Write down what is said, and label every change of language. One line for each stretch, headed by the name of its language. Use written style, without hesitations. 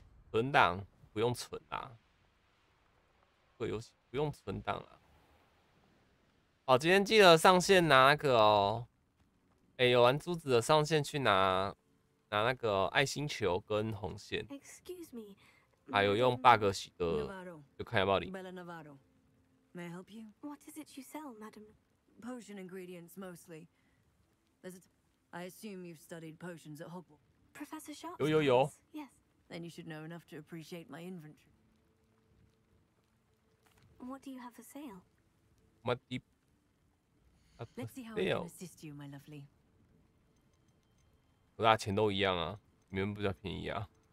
Chinese: 存档不用存啊，这游戏不用存档了。好，今天记得上线拿那个哦，欸，有玩珠子的上线去拿那个，哦，爱心球跟红线，还有用 bug 洗的，就看要不要领。
English: Bella Navarro, may I help you? What is it you sell, madam? Potion ingredients mostly. I assume you've studied potions at Hogwarts. Professor Sharp.
Chinese: 有有有。
English: Yes. Then you should know enough to appreciate my inventory. What do you have for sale? What do you have for sale? Let's see how I can assist you, my lovely.
Chinese: 我大家钱都一样啊，你们不是要便宜啊？